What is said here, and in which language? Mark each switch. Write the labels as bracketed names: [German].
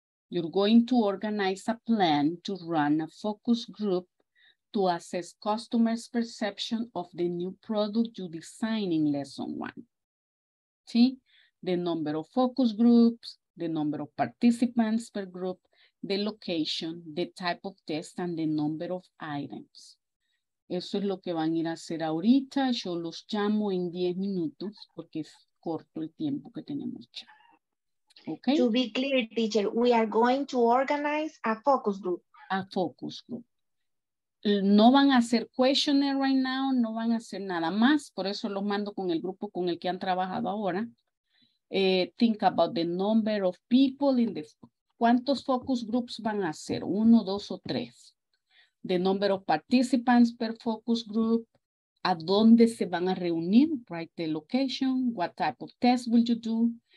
[English] You're going to organize a plan to run a focus group to assess customers' perception of the new product you design in lesson one. See, the number of focus groups, the number of participants per group, the location, the type of test, and the number of items. [Spanish] Eso es lo que van a ir a hacer ahorita. Yo los llamo en 10 minutos porque es corto el tiempo que tenemos ya. [English] Okay. To be clear, teacher, we are going to organize a focus group. A focus group. [Spanish] No van a hacer questionnaire [English] right now, [Spanish] no van a hacer nada más. Por eso los mando con el grupo con el que han trabajado ahora. [English] Think about the number of people in the... [Spanish] ¿Cuántos focus groups van a hacer? Uno, dos o tres. [English] The number of participants per focus group. [Spanish] ¿A dónde se van a reunir? [English] Right, the location. What type of test will you do?